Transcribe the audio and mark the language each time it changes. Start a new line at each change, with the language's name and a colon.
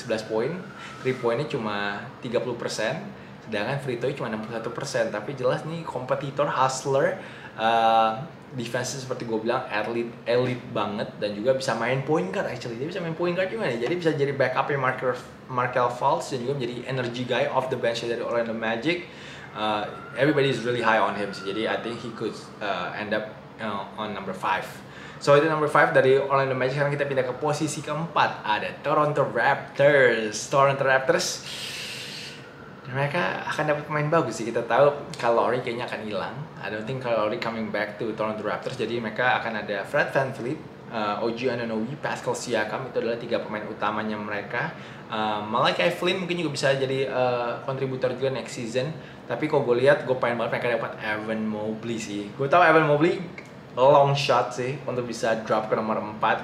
Indonesian: 11 poin, 3 poinnya cuma 30%, sedangkan free throw cuma 61%. Tapi jelas nih kompetitor, hustler, defense seperti gue bilang elite banget dan juga bisa main point guard.
English: Actually
Indonesian: dia bisa main point guard juga nih, jadi bisa jadi backup yang Markel Fultz dan juga menjadi energy guy off the bench dari Orlando Magic.
English: Everybody is really high on him, so
Indonesian: jadi
English: I think he could end up on number 5.
Indonesian: So itu number 5 dari Orlando Magic. Sekarang kita pindah ke posisi ke-4, ada Toronto Raptors. Mereka akan dapat pemain bagus sih. Kita tahu Kyle Lowry kayaknya akan hilang.
English: I don't think Kyle Lowry coming back to Toronto Raptors.
Indonesian: Jadi mereka akan ada Fred VanVleet, OG Anunoby, Pascal Siakam. Itu adalah 3 pemain utamanya mereka. Malachi Flynn mungkin juga bisa jadi kontributor juga next season. Tapi kalau gue lihat, gue pengen banget mereka dapat Evan Mobley sih. Gue tahu Evan Mobley long shot sih untuk bisa drop ke nomor 4.